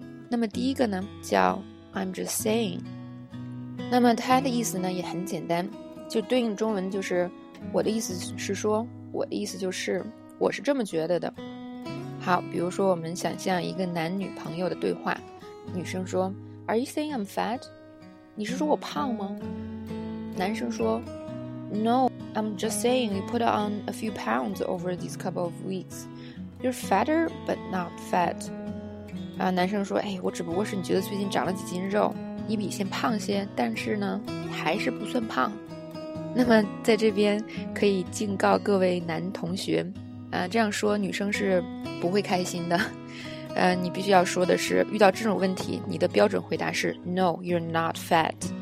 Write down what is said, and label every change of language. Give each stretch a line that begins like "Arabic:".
Chinese: 那么第一个呢，叫
English: I'm just saying。
Chinese: 那么它的意思呢也很简单，就对应中文就是我的意思是说，我的意思就是我是这么觉得的。好，比如说我们想象一个男女朋友的对话，女生说
English: Are you saying I'm fat？
Chinese: 你是说我胖吗？男生说
English: No, I'm just saying you put on a few pounds over these couple of weeks. You're fatter, but not fat.
Chinese: 然后男生说，哎，我只不过是你觉得最近长了几斤肉，你比以前胖些，但是呢还是不算胖。那么在这边可以警告各位男同学，这样说女生是不会开心的。你必须要说的是，遇到这种问题你的标准回答是
English: No, you're not fat。